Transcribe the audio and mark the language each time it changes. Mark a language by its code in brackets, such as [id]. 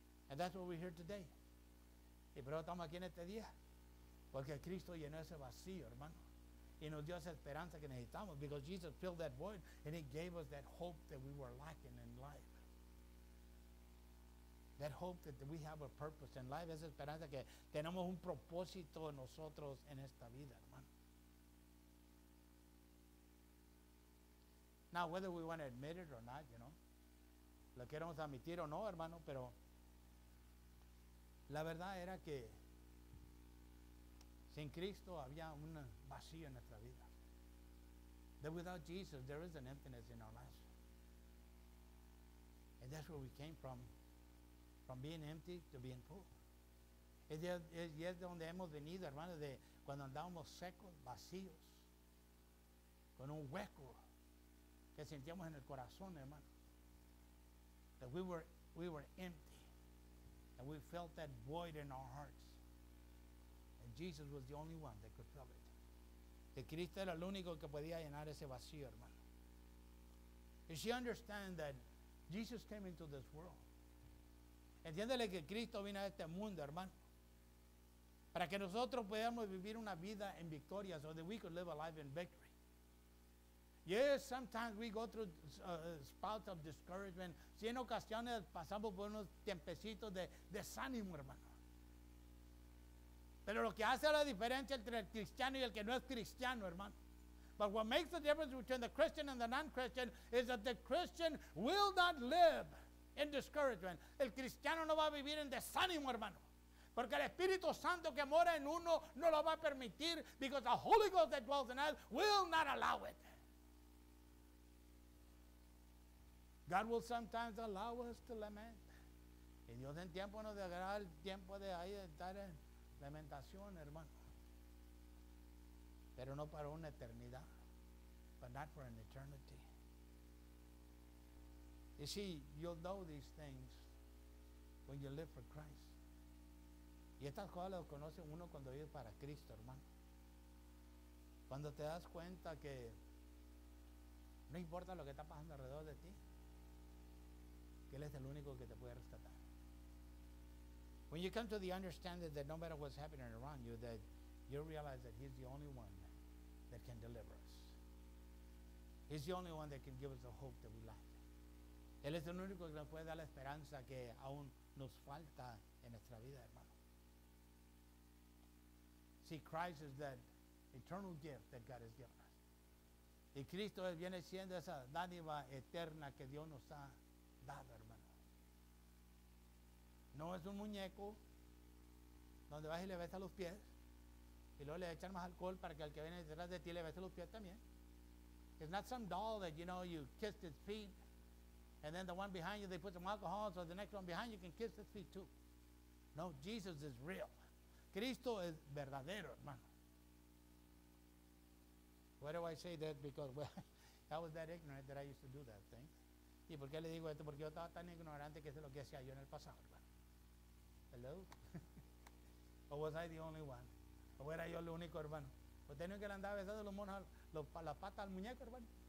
[en] And that's what we're here today. [es] Y pero estamos aquí en este día. Porque Cristo llenó ese vacío, hermano. Y nos dio esa esperanza que necesitamos. [en] Because Jesus filled that void. And He gave us that hope that we were lacking in life. That hope that we have a purpose in life. [es] Esa esperanza que tenemos un propósito nosotros en esta vida, hermano. [en] Now, whether we want to admit it or not, you know. [es] Lo queremos admitir o no, hermano, pero... La verdad era que sin Cristo había un vacío en nuestra vida. [en] That without Jesus, there is an emptiness in our lives. And that's where we came from being empty to being full. [es] Y es de donde hemos venido, hermano, de cuando andábamos secos, vacíos, con un hueco que sentíamos en el corazón, hermano. [en] That we were empty. And we felt that void in our hearts. And Jesus was the only one that could fill it. [es] Que Cristo era el único que podía llenar ese vacío, hermano. [en] And she understands that Jesus came into this world. [es] Entiéndele que Cristo vino a este mundo, hermano. Para que nosotros podamos vivir una vida en victoria, [en] so that we could live a life in victory. Yes, sometimes we go through spouts of discouragement. [es] Si en ocasiones pasamos por unos tiempecitos de desánimo, hermano. Pero lo que hace la diferencia entre el cristiano y el que no es cristiano, hermano. [en] But what makes the difference between the Christian and the non-Christian is that the Christian will not live in discouragement. [es] El cristiano no va a vivir en desánimo, hermano. Porque el Espíritu Santo que mora en uno no lo va a permitir, [en] because the Holy Ghost that dwells in us will not allow it. God will sometimes allow us to lament. [es] Y Dios en tiempo nos dará el tiempo de ahí de estar en Lamentación, hermano. Pero no para una eternidad. [en] But not for an eternity. You see, you'll know these things when you live for Christ. [es] Y estas cosas las conoce uno cuando vive para Cristo, hermano. Cuando te das cuenta que no importa lo que está pasando alrededor de ti, que Él es el único que te puede rescatar. [en] When you come to the understanding that no matter what's happening around you, that you realize that He's the only one that can deliver us. He's the only one that can give us the hope that we lack. [es] Él es el único que nos puede dar la esperanza que aún nos falta en nuestra vida, hermano. [en] See, Christ is that eternal gift that God has given us. [es] Y Cristo viene siendo esa dádiva eterna que Dios nos ha dado, hermano. No es un muñeco donde vas y le besas los pies y luego le echan más alcohol para que el que viene detrás de ti le bese los pies también. [en] It's not some doll that, you know, you kissed its feet. And then the one behind you, they put some alcohol, so the next one behind you can kiss his feet too. No, Jesus is real. [es] Cristo es verdadero, hermano. [en] Why do I say that? Because, well, I was that ignorant that I used to do that thing. [es] ¿Y por qué le digo esto? Porque yo estaba tan ignorante que es lo que hacía yo en el pasado, hermano. [en] Hello? Or was I the only one? [es] ¿O era yo el único, hermano? Pues tenía que andar besando los monos, la pata al muñeco, hermano.